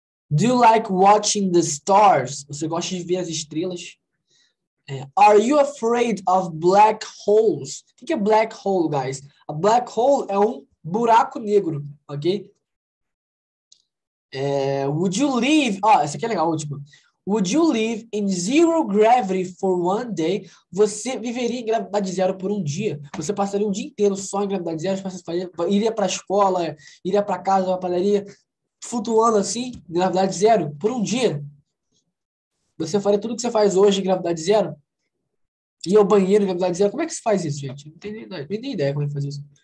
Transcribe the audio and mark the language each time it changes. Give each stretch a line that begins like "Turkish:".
English: Do you like watching the stars?
Portuguese: Você gosta de ver as estrelas?
English: Are you afraid of black holes?
Portuguese: O que é
English: black hole, guys?
Portuguese: A black hole é um buraco negro, ok?
English: Would you live...
Portuguese: Ó, essa aqui é legal, a última.
English: Would you live in zero gravity for one day?
Portuguese: Você viveria em gravidade zero por um dia? Você passaria um dia inteiro só em gravidade zero? Iria para a escola, iria para casa, para a padaria? flutuando assim, gravidade zero, por um dia. Você faria tudo que você faz hoje em gravidade zero? Ir ao banheiro em gravidade zero? Como é que se faz isso, gente? Não tenho nem ideia como é que faz isso.